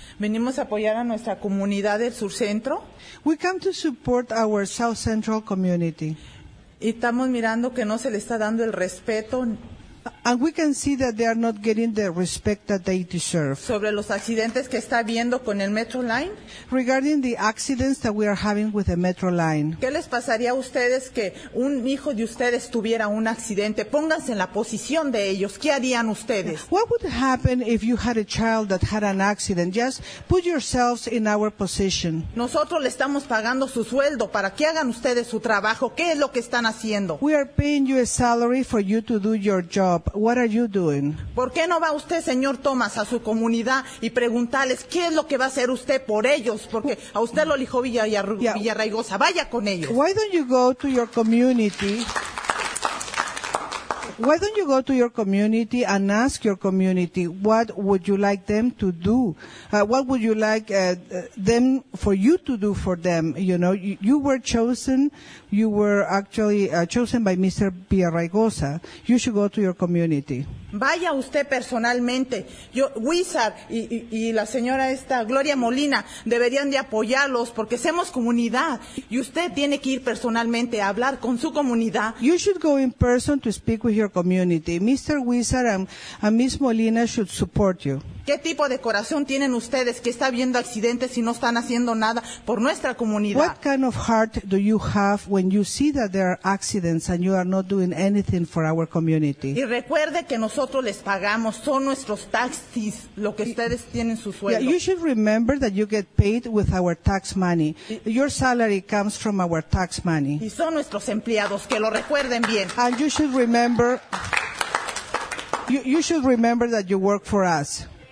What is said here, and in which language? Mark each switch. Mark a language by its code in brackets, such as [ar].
[es] Venimos a apoyar a nuestra comunidad del Sur Centro. [en] We come to support our South Central community. [es] Y estamos mirando que no se le está dando el respeto. [en] And we can see that they are not getting the respect that they deserve. [es] Sobre los accidentes que está viendo con el Metro Line. [en] Regarding the accidents that we are having with the Metro Line. [es] ¿Qué les pasaría a ustedes que un hijo de ustedes tuviera un accidente? Pónganse en la posición de ellos. ¿Qué harían ustedes? [en] What would happen if you had a child that had an accident? Just put yourselves in our position. [es] Nosotros le estamos pagando su sueldo para que hagan ustedes su trabajo. ¿Qué es lo que están haciendo? [en] We are paying you a salary for you to do your job. What are you doing? [es] ¿Por qué no va usted, señor Thomas, a su comunidad y preguntarles qué es lo que va a hacer usted por ellos? Porque a usted lo elijo Villarraigosa. Vaya con ellos. [en] Why don't you go to your community? Why don't you go to your community and ask your community what would you like them to do? What would you like them for you to do for them? You know, you were chosen. You were actually chosen by Mr. Villarraigosa. You should go to your community. [es] Vaya usted personalmente. Yo, Wizard y la señora esta, Gloria Molina, deberían de apoyarlos porque somos comunidad. Y usted tiene que ir personalmente a hablar con su comunidad. [en] You should go in person to speak with your community. Mr. Wizard and Ms. Molina should support you. [es] ¿Qué tipo de corazón tienen ustedes que está viendo accidentes y no están haciendo nada por nuestra comunidad? [en] What kind of heart do you have when you see that there are accidents and you are not doing anything for our community? [es] Y recuerde que nosotros les pagamos, son nuestros taxis lo que ustedes tienen su sueldo. [en] Yeah, you should remember that you get paid with our tax money. Your salary comes from our tax money. [es] Y son nuestros empleados, que lo recuerden bien. [en] And you should remember, you should remember that you work for us.